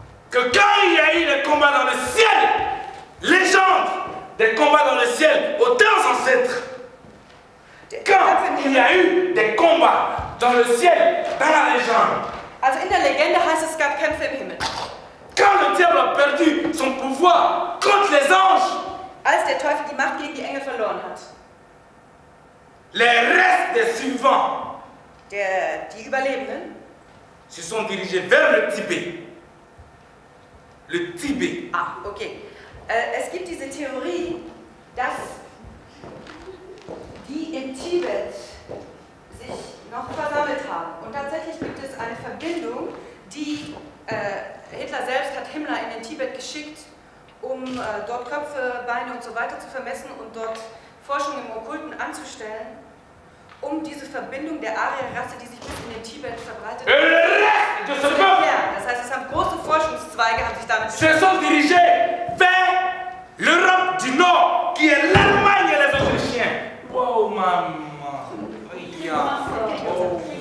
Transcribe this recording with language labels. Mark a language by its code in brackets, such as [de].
[fr] Que quand il y a eu les combats dans le ciel, légende des combats dans le ciel, aux temps ancêtres, quand il y a eu des combats dans le ciel, dans la légende. [de] Also in der Legende heißt es, es gab Kämpfe im Himmel. [fr] Quand le diable a perdu son pouvoir contre les anges. [de] Als der Teufel die Macht gegen die Engel verloren hat. [fr] Les restes des survivants. [de] Die Überlebenden. [fr] Se sont dirigés vers le Tibet. Le Tibet. Ah, ok. [de] Es gibt diese Theorie, dass die im Tibet sich noch versammelt haben. Und tatsächlich gibt es eine Verbindung, die Hitler selbst hat Himmler in den Tibet geschickt, um dort Köpfe, Beine und so weiter zu vermessen und dort Forschung im Okkulten anzustellen, um diese Verbindung der Arierrasse, die sich bis in den Tibet verbreitet hat, zu erklären. Das heißt, es haben große Forschungszweige haben sich damit beschäftigt. [fr] Se sont dirigés vers l'Europe du Nord, qui est l'Allemagne et les Autrichiens. Wow, Mama. [de] Ja. [fr] Oh.